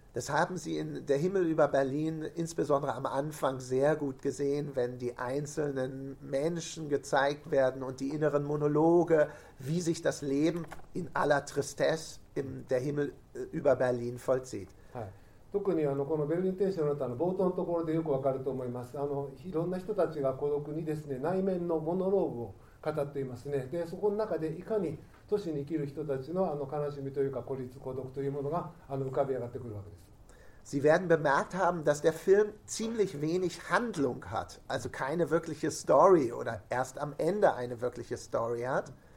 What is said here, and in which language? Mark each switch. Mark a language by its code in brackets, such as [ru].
[de] Das haben Sie in Der Himmel über Berlin insbesondere am Anfang sehr gut gesehen, wenn die einzelnen Menschen gezeigt werden und die inneren Monologe, wie sich das Leben in aller Tristesse in Der Himmel über Berlin vollzieht. [ja] はい。特にあのこのベルリン天使の歌の冒頭のところでよくわかると思います。あのいろんな人たちが孤独にですね、内面のモノローグを語っていますね。で、そこの中でいかに 都市に生きる人たちのあの悲しみというか孤立孤独というものがあの浮かび上がってくるわけです。 [de] Sie werden bemerkt haben, dass der Film ziemlich wenig Handlung hat, also keine wirkliche Story oder erst am Ende eine wirkliche Story hat.